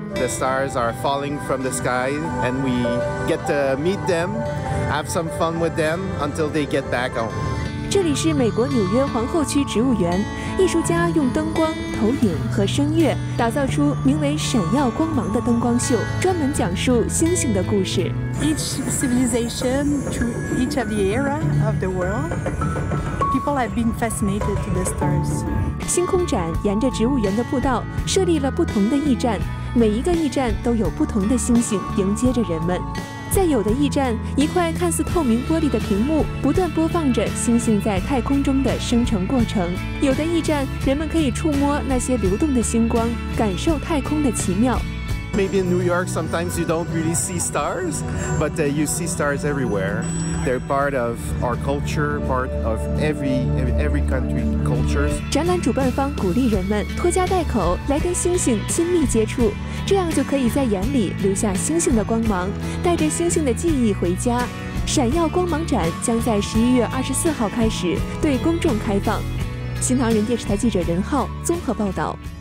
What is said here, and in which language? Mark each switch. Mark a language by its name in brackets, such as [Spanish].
[English] The stars are falling from the sky and we get to meet them, have some fun with them until they get back home. [Chinese] 这里是美国纽约皇后区植物园，艺术家用灯光、投影和声乐打造出名为闪耀光芒的灯光秀，专门讲述星星的故事。 [English] Each civilization to each of the era of the world, people have been fascinated to the stars. [Chinese] 星空展沿着植物园的步道设立了不同的驿站，每一个驿站都有不同的星星迎接着人们。在有的驿站，一块看似透明玻璃的屏幕不断播放着星星在太空中的生成过程；有的驿站，人们可以触摸那些流动的星光，感受太空的奇妙。 [English] Maybe in New York, sometimes you don't really see stars, but you see stars everywhere. They're part of our culture, part of every country cultures. [Chinese] 展览主办方鼓励人们脱下戴口来跟星星亲密接触，这样就可以在眼里留下星星的光芒，带着星星的记忆回家。闪耀光芒展将在11月24日开始对公众开放。新唐人电视台记者任浩综合报道。